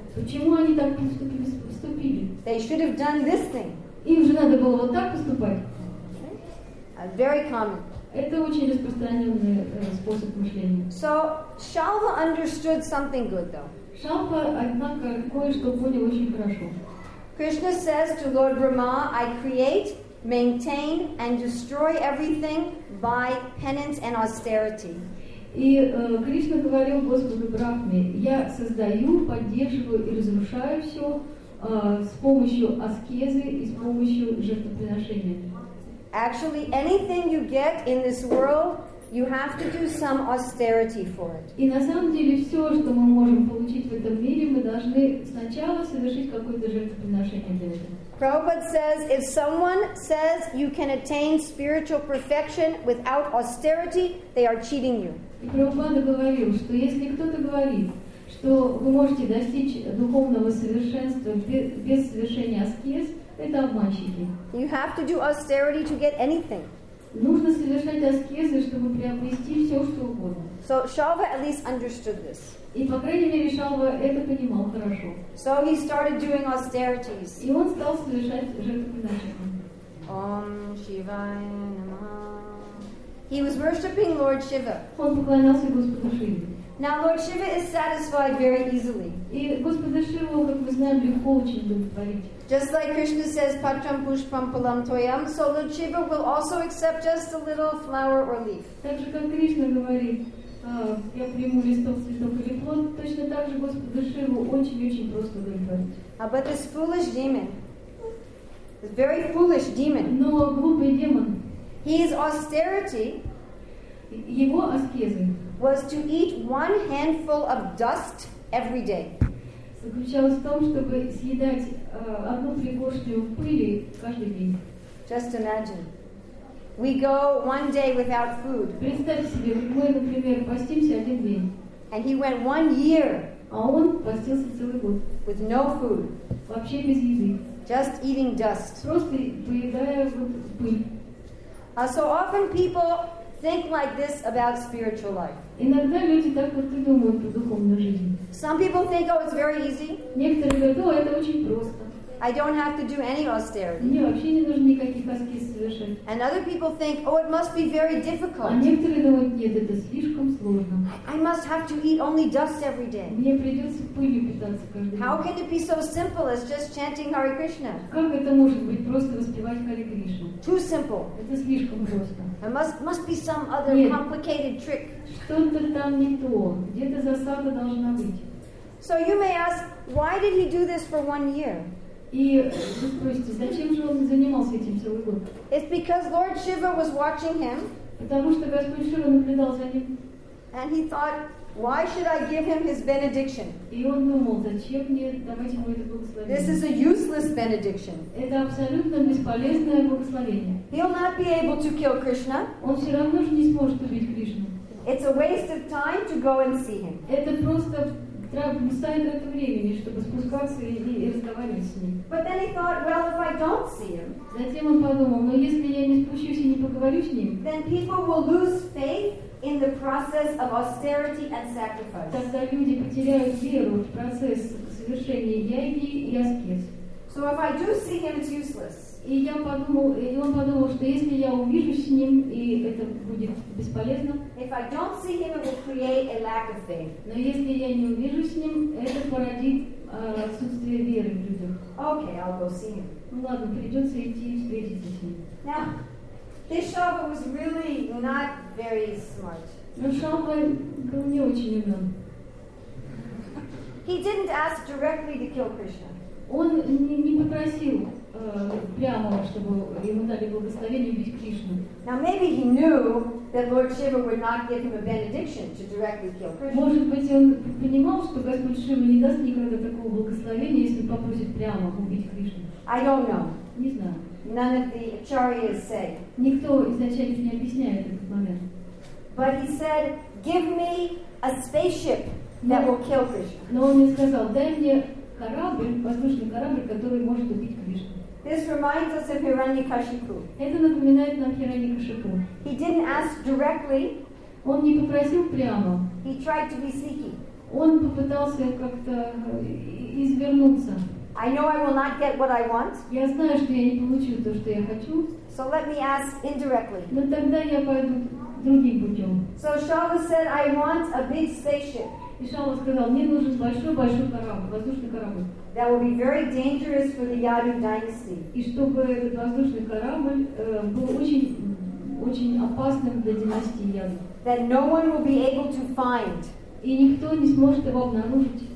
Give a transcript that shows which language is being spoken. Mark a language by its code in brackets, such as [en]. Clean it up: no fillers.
[ru] Почему они так поступили? [en] They should have done this thing. [ru] Им же надо было вот так поступать. [en] Okay. Very common. [ru] Это очень распространенный способ мышления. [en] So Shalva understood something good, though. [ru] Шалва, однако, кое-что понял очень хорошо. [en] Krishna says to Lord Brahma, I create, maintain, and destroy everything by penance and austerity. [ru] И Кришна говорил Господу Брахме, я создаю, поддерживаю и разрушаю все с помощью аскезы и с помощью жертвоприношения. [en] Actually, anything you get in this world, you have to do some austerity for it. [ru] И на самом деле все, что мы можем получить в этом мире, мы должны сначала совершить какое-то жертвоприношение для этого. [en] Prabhupada says, if someone says you can attain spiritual perfection without austerity, they are cheating you. [ru] И Прабхупада говорил, что если кто-то говорит, что вы можете достичь духовного совершенства без совершения аскез, это обманщики. [en] You have to do austerity to get anything. [ru] Нужно совершать аскезы, чтобы приобрести все, что угодно. [en] So Shalva at least understood this. [ru] И, по крайней мере, Шалва это понимал хорошо. [en] So he started doing austerities. [ru] И он стал совершать жертвоприношения. [sa] Om Shivaya Namah. [en] He was worshipping Lord Shiva. [ru] Он поклонялся Господу Шиве. [en] Now Lord Shiva is satisfied very easily. [ru] И Господа Шиву, как мы знаем, легко очень удовлетворить. [en] Just like Krishna says, [sa] Patram Pushpam Palam Toyam, [en] so Lord Shiva will also accept just a little flower or leaf. [ru] Так же, как Кришна говорит, я приму листок, цветок или плод, точно так же Господа Шиву очень-очень просто удовлетворить. [en] But this foolish demon, this very foolish demon, [ru] но глупый демон, [en] his austerity, [ru] его аскезы, [en] was to eat one handful of dust every day. [ru] Заключалось в том, чтобы съедать одну пригоршню пыли каждый день. [en] Just imagine. We go one day without food. [ru] Представьте себе, мы, например, постимся один день. [en] And he went 1 year. [ru] А он постился целый год. [en] With no food. [ru] Вообще без еды. [en] Just eating dust. [ru] Просто поедая вот пыль. [en] So often people think like this about spiritual life. [ru] Иногда люди так вот и думают про духовную жизнь. [en] Some people think, oh, it's very easy. [ru] Некоторые говорят, о, это очень просто. [en] I don't have to do any austerity. [ru] Мне вообще не нужно никаких аскез совершать. [en] And other people think, oh, it must be very difficult. [ru] А некоторые думают, нет, это слишком сложно. [en] I must have to eat only dust every day. [ru] Мне придется пылью питаться каждый день. [en] How can it be so simple as just chanting Hare Krishna? [ru] Как это может быть просто воспевать Hare Krishna? [en] Too simple. [ru] Это слишком просто. [en] There must be some other [ru] нет. [en] Complicated trick. [ru] Что-то там не то. Где-то засада должна быть. [en] So you may ask, why did he do this for 1 year? [ru] И вы спросите, зачем же он занимался этим целый год? [en] It's because Lord Shiva was watching him. [ru] Потому что Господь Шива наблюдал за ним. [en] And he thought, why should I give him his benediction? [ru] И он думал, зачем мне давать ему это благословение? [en] This is a useless benediction. [ru] Это абсолютно бесполезное благословение. [en] He'll not be able to kill Krishna. [ru] Он все равно же не сможет убить Кришну. [en] It's a waste of time to go and see him. [ru] Это просто Стоит это времени, чтобы спускаться и разговаривать с ним. [en] But then he thought, well, if I don't see him, [ru] затем он подумал, но если я не спущусь и не поговорю с ним, [en] then people will lose faith in the process of austerity and sacrifice. [ru] Тогда люди потеряют веру в процесс совершения яги и аскез. [en] So if I do see him, it's useless. [ru] И он подумал, что если я увижу с ним, и это будет бесполезно. [en] If I don't see him, it will create a lack of faith. [ru] Но если я не увижу с ним, это породит отсутствие веры в людях. [en] Okay, I'll go see him. [ru] Ну ладно, придется идти и встретиться с ним. [en] Now, this Shalva was really not very smart. [ru] Но Шалва был не очень умен. [en] He didn't ask directly to kill Krishna. [ru] Он не попросил прямо, чтобы ему дали благословение убить Кришну. [en] Now maybe he knew that Lord Shiva would not give him a benediction to directly kill Krishna. [ru] Может быть, он понимал, что Господь Шива не даст никогда такого благословения, если попросит прямо убить Кришну. [en] I don't know. [ru] Не знаю. [en] None of the acharyas say. [ru] Никто из ачарьев не объясняет этот момент. [en] But he said, "Give me a spaceship that will kill Krishna." [ru] Но он не сказал, дай мне корабль, воздушный корабль, который может убить Кришну. [en] This reminds us of Hiranyakashipu. [ru] Это напоминает нам Хираньякашипу. [en] He didn't ask directly. [ru] Он не попросил прямо. [en] He tried to be sneaky. [ru] Он попытался как-то извернуться. [en] I know I will not get what I want. [ru] Я знаю, что я не получу то, что я хочу. [en] So let me ask indirectly. [ru] Но тогда я пойду другим путем. [en] So Shala said, "I want a big spaceship." [ru] И Шала сказал, мне нужен большой корабль, воздушный корабль. [en] That will be very dangerous for the Yadu dynasty. [ru] И чтобы этот воздушный корабль был очень опасным для династии Яду. [en] That no one will be able to find. [ru] И никто не сможет его обнаружить.